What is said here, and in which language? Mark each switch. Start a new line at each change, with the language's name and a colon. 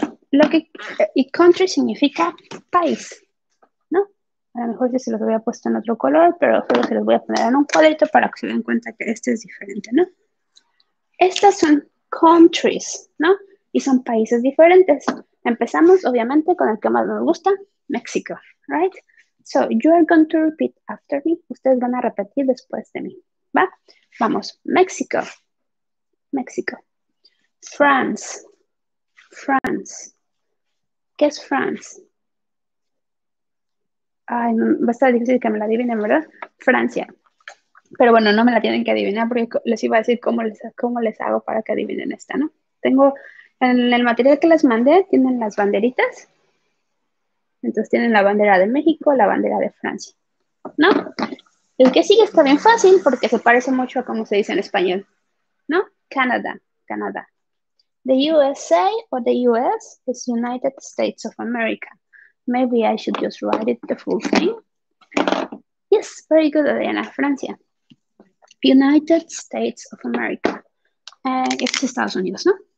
Spanish: Lo que, y country significa país, ¿no? A lo mejor yo se los había puesto en otro color, pero solo se los voy a poner en un cuadrito para que se den cuenta que este es diferente, ¿no? Estas son countries, ¿no? Y son países diferentes. Empezamos, obviamente, con el que más nos gusta, México, right?
English: So, you are going to repeat after me.
Spanish: Ustedes van a repetir después de mí, ¿va? Vamos, México. México. France. France. ¿Qué es France? Ay, va a estar difícil que me la adivinen, ¿verdad? Francia. Pero bueno, no me la tienen que adivinar porque les iba a decir cómo les hago para que adivinen esta, ¿no? Tengo, en el material que les mandé, tienen las banderitas. Entonces tienen la bandera de México, la bandera de Francia, ¿no? El que sigue está bien fácil porque se parece mucho a cómo se dice en español, ¿no? Canadá, Canadá.
English: The USA or the US is United States of America. Maybe I should just write it the full thing. Yes, very good, Adriana. Francia. United States of America. It's Estados Unidos, ¿no?